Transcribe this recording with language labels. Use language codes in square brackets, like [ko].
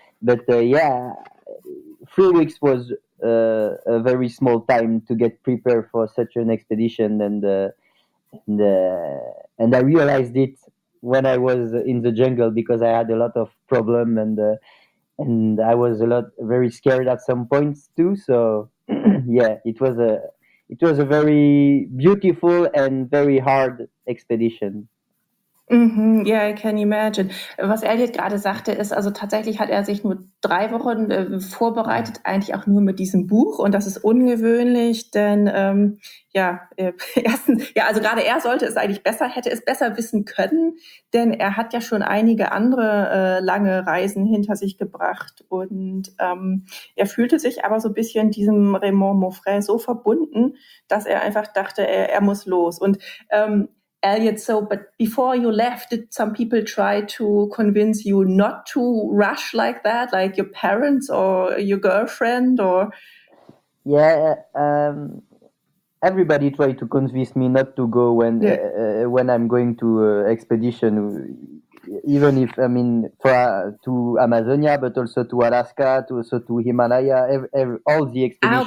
[en] But yeah, 3 weeks was a very small time to get prepared for such an expedition, and I realized it when I was in the jungle, because I had a lot of problem, and I was very scared at some points too. So yeah, it was a very beautiful and very hard expedition. Ja, I can imagine. [de] Was Elliot gerade sagte, ist, also tatsächlich hat er sich nur 3 Wochen vorbereitet, eigentlich auch nur mit diesem Buch. Und das ist ungewöhnlich, denn gerade er sollte es eigentlich besser, hätte es besser wissen können, denn er hat ja schon einige andere lange Reisen hinter sich gebracht. Und er fühlte sich aber so ein bisschen diesem Raymond Maufray so verbunden, dass er einfach dachte, er muss los. [en] Und Elliot, so, but before you left, did some people try to convince you not to rush like that, like your parents or your girlfriend? Or yeah, everybody tried to convince me not to go when I'm going to expedition, even if I mean to Amazonia, but also to Alaska, also to Himalaya, all the expedition.